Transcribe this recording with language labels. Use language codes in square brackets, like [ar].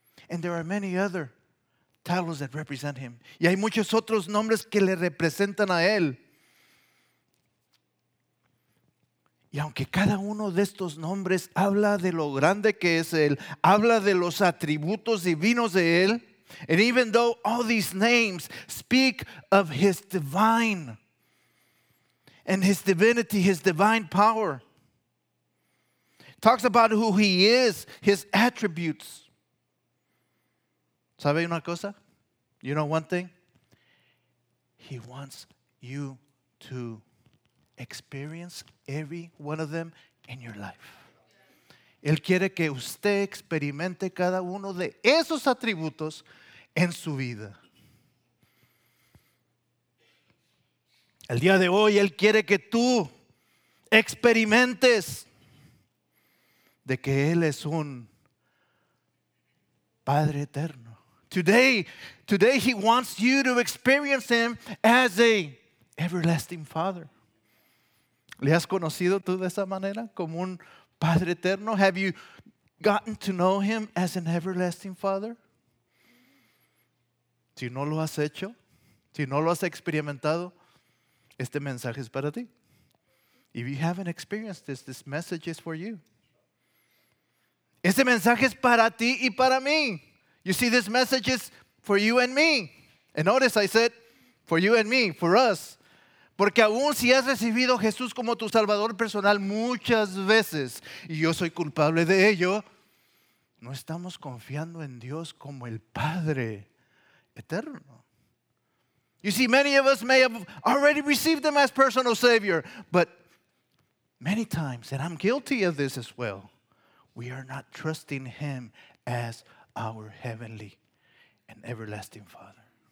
[en] And there are many other titles that represent him. [es] Y hay muchos otros nombres que le representan a él. Y aunque cada uno de estos nombres habla de lo grande que es él, habla de los atributos divinos de él, [en] and even though all these names speak of his divine and his divinity, his divine power, talks about who he is, his attributes. [es] ¿Sabe una cosa? [en] You know one thing? He wants you to experience every one of them in your life. [es] Él quiere que usted experimente cada uno de esos atributos en su vida. El día de hoy, Él quiere que tú experimentes de que Él es un Padre eterno. [en] Today He wants you to experience Him as a everlasting Father. [es] ¿Le has conocido tú de esa manera? Como un Padre eterno. [en] Have you gotten to know Him as an everlasting Father? [es] Si no lo has hecho, si no lo has experimentado, este mensaje es para ti. [en] If you haven't experienced this, this message is for you. [es] Este mensaje es para ti y para mí. [en] You see, this message is for you and me. And notice I said, for you and me, for us. [es] Porque aún si has recibido a Jesús como tu Salvador personal muchas veces, y yo soy culpable de ello, no estamos confiando en Dios como el Padre eterno. [en] You see, many of us may have already received Him as personal Savior, but many times, and I'm guilty of this as well, we are not trusting Him as our heavenly and everlasting Father.